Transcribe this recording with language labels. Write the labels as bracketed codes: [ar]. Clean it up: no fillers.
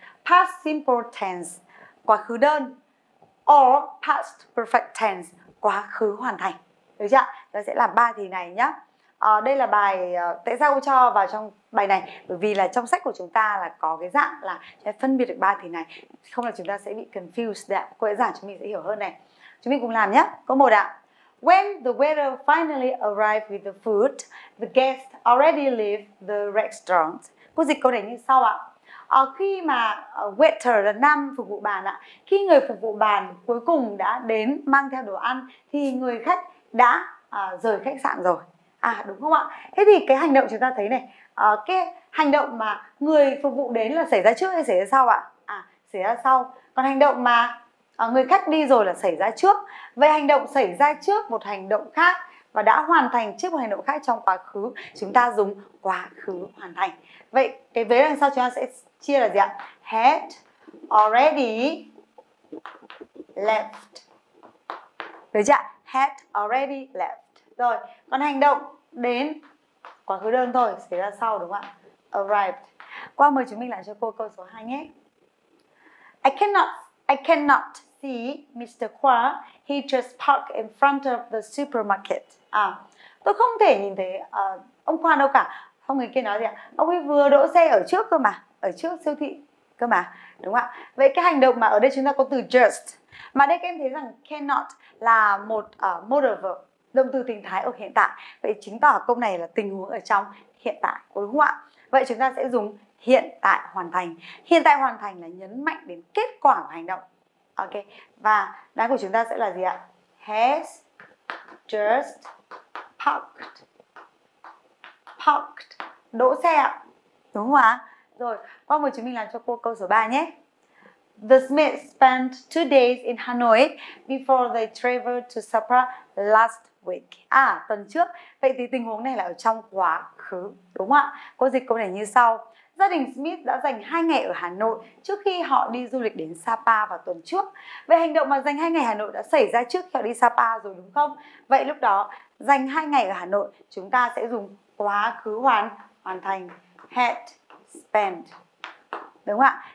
[en] Past simple tense, [vi] quá khứ đơn. [en] Or past perfect tense, [vi] quá khứ hoàn thành. Được chưa? Chúng ta sẽ làm ba thì này nhá. Đây là bài tại sao cô cho vào trong bài này, bởi vì là trong sách của chúng ta là có cái dạng là phân biệt được ba thì này, không là chúng ta sẽ bị confused đấy. Cô sẽ giảng chúng mình sẽ hiểu hơn này. Chúng mình cùng làm nhé. Câu 1 ạ. [en] When the waiter finally arrived with the food, the guest already left the restaurant. [vi] Cô dịch câu này như sau ạ. Khi mà waiter là nam phục vụ bàn ạ, khi người phục vụ bàn cuối cùng đã đến mang theo đồ ăn thì người khách đã rời khách sạn rồi. Đúng không ạ? Thế thì cái hành động chúng ta thấy này, cái hành động mà người phục vụ đến là xảy ra trước hay xảy ra sau ạ? Xảy ra sau. Còn hành động mà người khách đi rồi là xảy ra trước. Vậy hành động xảy ra trước một hành động khác và đã hoàn thành trước một hành động khác trong quá khứ, chúng ta dùng quá khứ hoàn thành. Vậy cái vế đằng sau chúng ta sẽ chia là gì ạ? [en] Had already left. [vi] Được chưa? [en] Had already left. [vi] Rồi, còn hành động đến quá khứ đơn thôi, xảy ra sau đúng không ạ? Arrived. Qua mời chúng mình lại cho cô câu số 2 nhé. [en] I cannot see Mr. Qua. He just parked in front of the supermarket. [vi] Tôi không thể nhìn thấy ông Qua đâu cả. Không, người kia nói gì ạ? Ông ấy vừa đỗ xe ở trước cơ mà, ở trước siêu thị cơ mà, đúng không ạ? Vậy cái hành động mà ở đây chúng ta có từ just, mà đây các em thấy rằng cannot là một modal verb, động từ tình thái ở hiện tại. Vậy chứng tỏ câu này là tình huống ở trong hiện tại, đúng không ạ? Vậy chúng ta sẽ dùng hiện tại hoàn thành. Hiện tại hoàn thành là nhấn mạnh đến kết quả của hành động. Ok. Và đáp của chúng ta sẽ là gì ạ? [en] Has just parked. Parked. [vi] Đỗ xe ạ. Đúng không ạ? Rồi, qua mời chúng mình làm cho cô câu số 3 nhé. [en] The Smith spent 2 days in Hanoi before they traveled to Sapa last week. [vi] Tuần trước. Vậy thì tình huống này là ở trong quá khứ, đúng không ạ? Cô dịch câu này như sau. Gia đình Smith đã dành 2 ngày ở Hà Nội trước khi họ đi du lịch đến Sapa vào tuần trước. Vậy hành động mà dành 2 ngày Hà Nội đã xảy ra trước khi họ đi Sapa rồi, đúng không? Vậy lúc đó dành 2 ngày ở Hà Nội, chúng ta sẽ dùng quá khứ hoàn thành [en] had spent. [vi] Đúng không ạ?